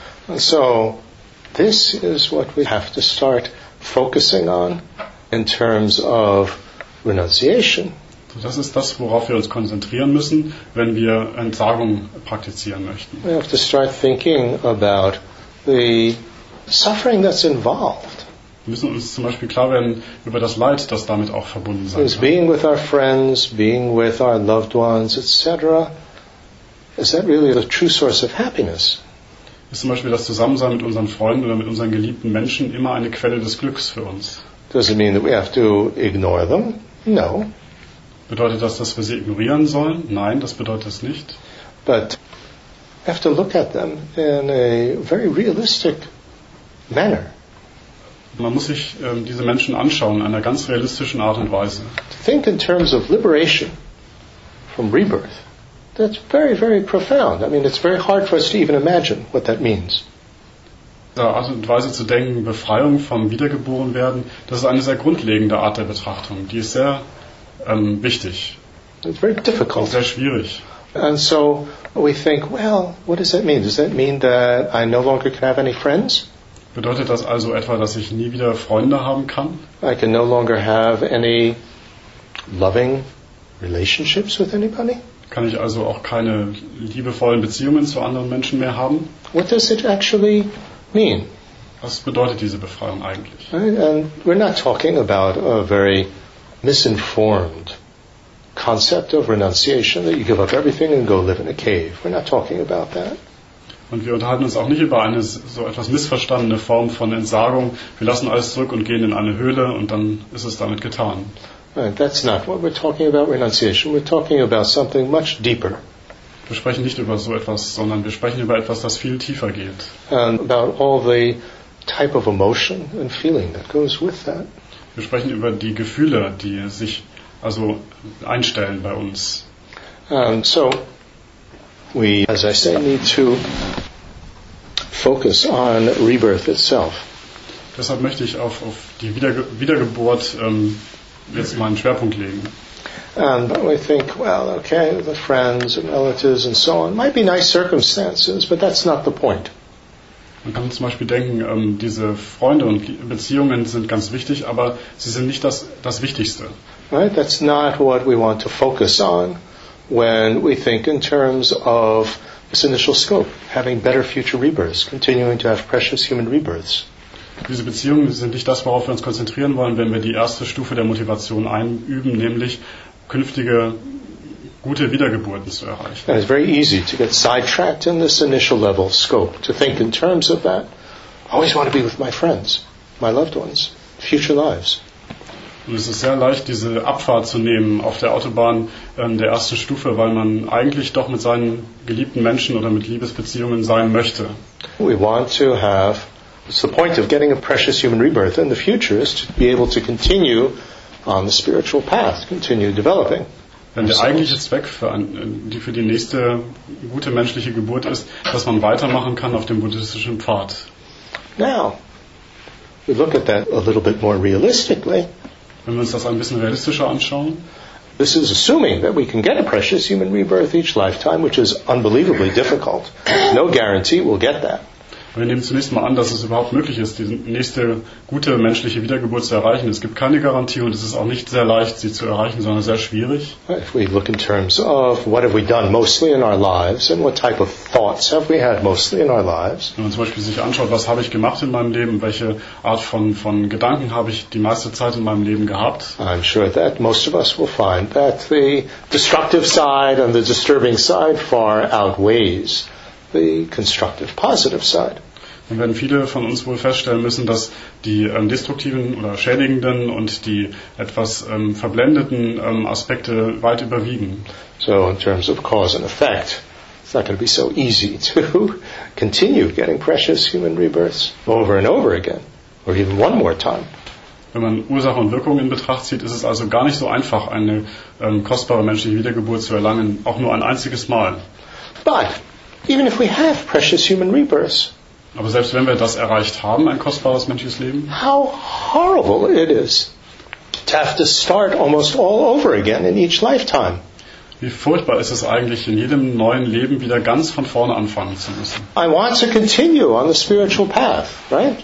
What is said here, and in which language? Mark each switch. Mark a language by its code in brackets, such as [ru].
[en] And so this is what we have to start focusing on in terms of renunciation. [de] So das ist das, worauf wir uns konzentrieren müssen, wenn wir Entsagung praktizieren möchten. [en] We have to start thinking about the suffering that's involved. [de] Wir müssen uns zum Beispiel klar werden über das Leid, das damit auch verbunden sein kann. [en] Being with our friends, being with our loved ones, etc. Is that really the true source of happiness? [de] Ist zum Beispiel das Zusammensein mit unseren Freunden oder mit unseren geliebten Menschen immer eine Quelle des Glücks für uns? [en] Does it mean that we have to ignore them? No. [de] Bedeutet das, dass wir sie ignorieren sollen? Nein, das bedeutet es nicht. [en] But we have to look at them in a very realistic manner. [de] Man muss sich diese Menschen anschauen in einer ganz realistischen Art und Weise. [en] To think in terms of liberation from rebirth. That's very, very profound. I mean, it's very hard for us to even imagine what that means. [de] Art und Weise zu denken, Befreiung vom Wiedergeborenwerden, das ist eine sehr grundlegende Art der Betrachtung. Die ist sehr wichtig. [en] It's very difficult. [de] Sehr schwierig. [en] And so we think, well, what does that mean? Does that mean that I no longer can have any friends? [de] Bedeutet das also etwa, dass ich nie wieder Freunde haben kann? [en] I can no longer have any loving relationships with anybody? [de] Kann ich also auch keine liebevollen Beziehungen zu anderen Menschen mehr haben? [en] What does it actually mean? [de] Was bedeutet diese Befreiung eigentlich? [en] And we're not talking about a very misinformed concept of renunciation, that you give up everything and go live in a cave. We're not talking about that. [de] Und wir unterhalten uns auch nicht über eine so etwas missverstandene Form von Entsagung. Wir lassen alles zurück und gehen in eine Höhle und dann ist es damit getan. [en] That's not what we're talking about, renunciation. We're talking about something much deeper. [de] Wir sprechen nicht über so etwas, sondern wir sprechen über etwas, das viel tiefer geht. [en] And about all the type of emotion and feeling that goes with that. [de] Wir sprechen über die Gefühle, die sich also einstellen bei uns. [en] So we, as I say, need to focus on rebirth itself. [de] Deshalb möchte ich auf die Wiedergeburt jetzt mal einen Schwerpunkt legen. [en] And we think, well, okay, the friends and relatives and so on might be nice circumstances, but that's not the point. [de] Man kann zum Beispiel denken, diese Freunde und Beziehungen sind ganz wichtig, aber sie sind nicht das Wichtigste. [en] Right? That's not what we want to focus on when we think in terms of this initial scope, having better future rebirths, continuing to have precious human rebirths. [de] Diese Beziehungen sind nicht das, worauf wir uns konzentrieren wollen, wenn wir die erste Stufe der Motivation einüben, nämlich künftige gute Wiedergeburten zu erreichen. [en] It's very easy to get sidetracked in this initial level scope, to think in terms of that. I always want to be with my friends, my loved ones, future lives. [de] Und es ist sehr leicht, diese Abfahrt zu nehmen auf der Autobahn der ersten Stufe, weil man eigentlich doch mit seinen geliebten Menschen oder mit Liebesbeziehungen sein möchte. [en] We want to have, it's the point of getting a precious human rebirth in the future is to be able to continue on the spiritual path, continue developing. [de] Denn der eigentliche Zweck für die nächste gute menschliche Geburt ist, dass man weitermachen kann auf dem buddhistischen Pfad. [en] Now, we look at that a little bit more realistically. [de] Wenn wir uns das ein bisschen realistischer anschauen. [en] This is assuming that we can get a precious human rebirth each lifetime, which is unbelievably difficult. No guarantee we'll get that. [de] Wir nehmen zunächst mal an, dass es überhaupt möglich ist, die nächste gute menschliche Wiedergeburt zu erreichen. Es gibt keine Garantie und es ist auch nicht sehr leicht, sie zu erreichen, sondern sehr schwierig. [en] If we look in terms of what have we done mostly in our lives and what type of thoughts have we had mostly in our lives. [de] Wenn man zum Beispiel sich anschaut, was habe ich gemacht in meinem Leben, welche Art von Gedanken habe ich die meiste Zeit in meinem Leben gehabt. [en] I'm sure that most of us will find that the destructive side and the disturbing side far outweighs the constructive, positive side. [de] Dann werden viele von uns wohl feststellen müssen, dass die destruktiven oder schädigenden und die etwas verblendeten Aspekte weit überwiegen. [en] So in terms of cause and effect, it's not going to be so easy to continue getting precious human rebirths over and over again, or even one more time. [de] Wenn man Ursache und Wirkung in Betracht zieht, ist es also gar nicht so einfach, eine kostbare menschliche Wiedergeburt zu erlangen, auch nur ein einziges Mal. [en] But even if we have precious human rebirths, [de] aber selbst wenn wir das erreicht haben, ein kostbares menschliches Leben, [en] how horrible it is to have to start almost all over again in each lifetime. [de] Wie furchtbar ist es eigentlich, in jedem neuen Leben wieder ganz von vorne anfangen zu müssen. [en] I want to continue on the spiritual path, right?